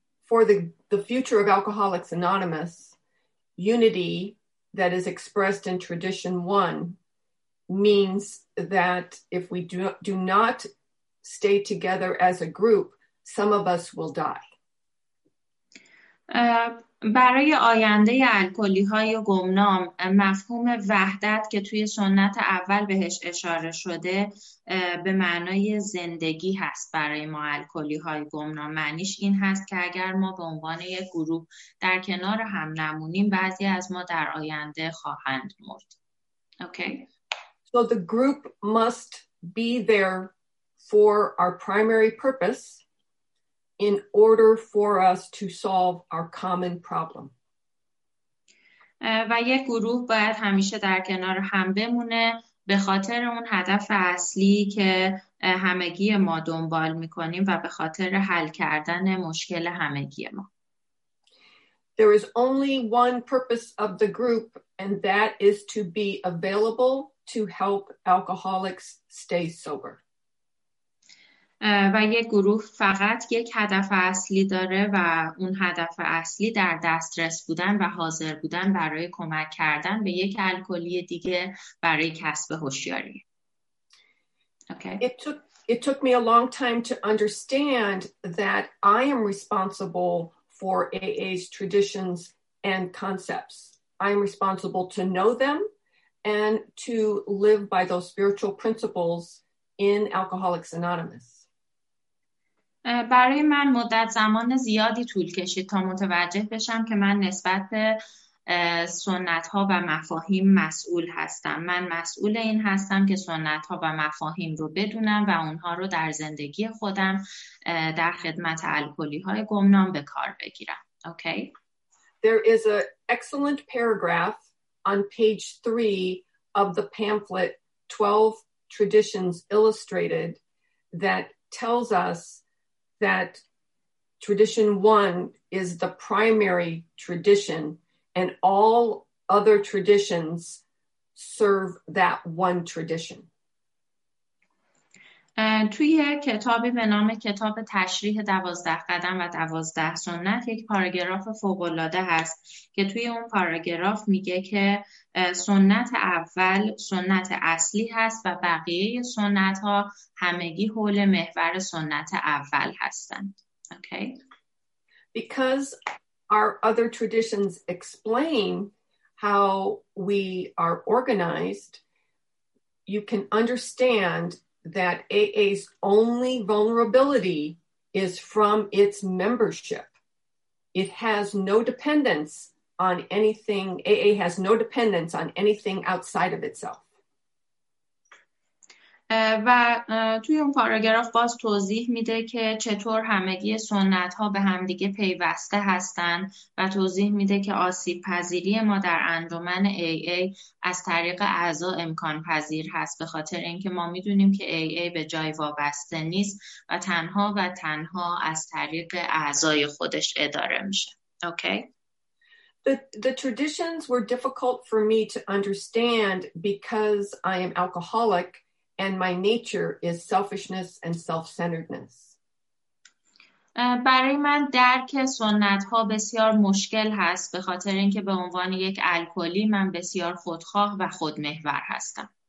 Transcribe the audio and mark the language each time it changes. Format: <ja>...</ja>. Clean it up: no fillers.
<en>For the future of Alcoholics Anonymous, unity that is expressed in Tradition 1 means that if we do not stay together as a group, some of us will die.</en> <fa>برای آینده الکلی‌های گمنام مفهوم وحدت که توی سنت اول بهش اشاره شده به معنای زندگی هست برای ما الکلی‌های گمنام. معنیش این هست که اگر ما به عنوان یک گروه در کنار هم نمونیم بعضی از ما در آینده خواهند مرد.</fa> <en>Okay. So the group must be there for our primary purpose in order for us to solve our common problem.</en> <fa>و یک گروه باید همیشه در کنار هم بمونه به خاطر اون هدف اصلی که همگی ما دنبال می‌کنیم و به خاطر حل کردن مشکل همگی ما.</fa> <en>There is only one purpose of the group, and that is to be available to help alcoholics stay sober.</en> <fa>و یک گروه فقط یک هدف اصلی داره و اون هدف اصلی در دسترس بودن و حاضر بودن برای کمک کردن به یک الکلی دیگه برای کسب هوشیاری.</fa> <en>Okay. It took me a long time to understand that I am responsible for AA's traditions and concepts. I am responsible to know them and to live by those spiritual principles in Alcoholics Anonymous.</en> <fa>برای من مدت زمان زیادی طول کشید تا متوجه بشم که من نسبت به سنت‌ها و مفاهیم مسئول هستم. من مسئول این هستم که سنت‌ها و مفاهیم رو بدونم و اونها رو در زندگی خودم در خدمت الکلی‌های گمنام به کار بگیرم.</fa> <en>Okay? There is an excellent paragraph on page 3 of the pamphlet 12 Traditions Illustrated that tells us that tradition 1 is the primary tradition and all other traditions serve that one tradition.</en> <fa>توی کتابی به نام کتاب تشریح 12 قدم و 12 سنت یک پاراگراف فوق‌العاده هست که توی اون پاراگراف میگه که سنت اول سنت اصلی هست و بقیه سنت ها همگی حول محور سنت اول هستند.</fa> <en>Okay. Because our other traditions explain how we are organized, you can understand that AA's only vulnerability is from its membership. It has no dependence on anything. AA has no dependence on anything outside of itself.</en> <fa>و توی اون پاراگراف باز توضیح میده که چطور همگی سنت ها به همدیگه پیوسته هستن و توضیح میده که آسیب پذیری ما در انجمن AA از طریق اعضا امکان پذیر هست، به خاطر اینکه ما میدونیم که AA به جای وابسته نیست و تنها از طریق اعضای خودش اداره میشه.</fa> <en>Okay? The traditions were difficult for me to understand because I am alcoholic and my nature is selfishness and self-centeredness.</en> <fa>برای من درک سنت‌ها بسیار مشکل هست به خاطر اینکه به عنوان یک الکلی من بسیار خودخواه و خودمحور هستم.</fa>